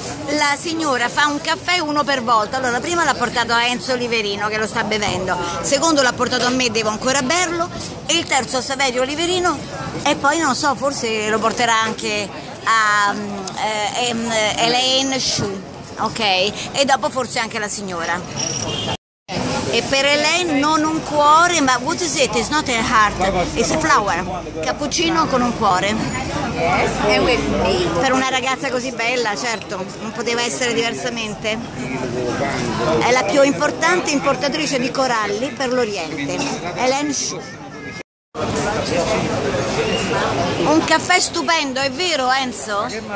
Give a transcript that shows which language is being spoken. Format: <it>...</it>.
<it>La signora fa un caffè uno per volta. Allora, prima l'ha portato a Enzo Liverino che lo sta bevendo, secondo l'ha portato a me, devo ancora berlo, e il terzo a Saverio Liverino, e poi non so, forse lo porterà anche a Elaine Xu, ok? E dopo forse anche la signora. E per Elaine non un cuore, ma</it> <en>what is it? It's not a heart, it's a flower.</en> <it>Cappuccino con un cuore. Per una ragazza così bella, certo, non poteva essere diversamente. È la più importante importatrice di coralli per l'Oriente, Elaine Xu. Un caffè stupendo, è vero Enzo?</it>